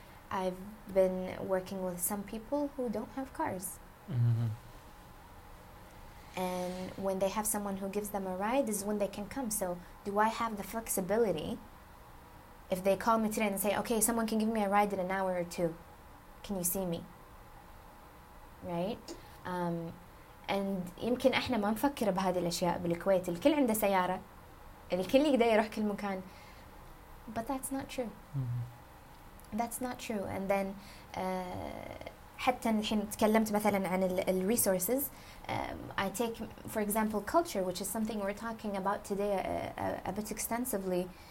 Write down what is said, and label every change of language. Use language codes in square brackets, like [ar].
[en] I've been working with some people who don't have cars. Mm-hmm. And when they have someone who gives them a ride is when they can come. So do I have the flexibility if they call me today and say, okay, someone can give me a ride in an hour or two. Can you see me? Right? [ar] And يمكن احنا ما نفكر بهذه الاشياء بالكويت. الكل عنده سيارة. الكل يقدر يروح كل مكان. [en] But that's not true. [ar] That's not true. [en] And then [ar] حتى الحين تكلمت مثلا عن ال resources. [en] I take, for example, culture, which is something we're talking about today a bit extensively.